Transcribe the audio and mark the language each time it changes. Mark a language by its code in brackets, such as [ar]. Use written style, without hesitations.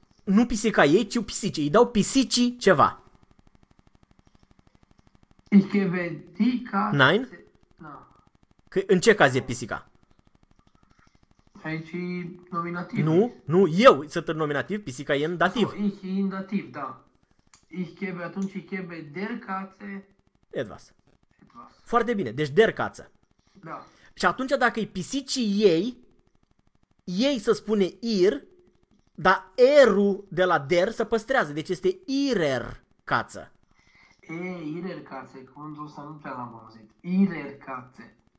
[ro] Nu pisica ei, ci pisici. Îi dau pisicii ceva. [de] Ich gebe die Katze. [ro] Nein? No. Că în ce caz e pisica? Aici e nominativ. Nu, eu sunt în nominativ, pisica e în dativ. So, ich e în dativ, da. [de] Ich gebe, atunci ich gebe der Katze. [ro] Etwas. Foarte bine, deci [de] der Katze. [ro] Da. Și atunci dacă e pisicii ei, ei să spune ir, dar er-ul de la der să păstrează. Deci este irer Katze. E, irer Katze, cuvântul ăsta nu prea l-am auzit. Irer Katze.